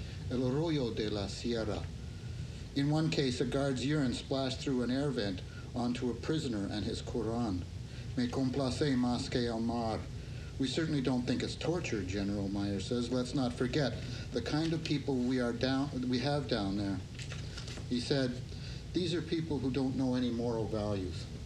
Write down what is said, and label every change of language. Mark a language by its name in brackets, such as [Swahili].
[Spanish] El Arroyo de la Sierra. [English] In one case, a guard's urine splashed through an air vent onto a prisoner and his Quran. [Spanish] Me complace más que el mar. [English] We certainly don't think it's torture, General Meyer says. Let's not forget the kind of people we have down there. He said, these are people who don't know any moral values.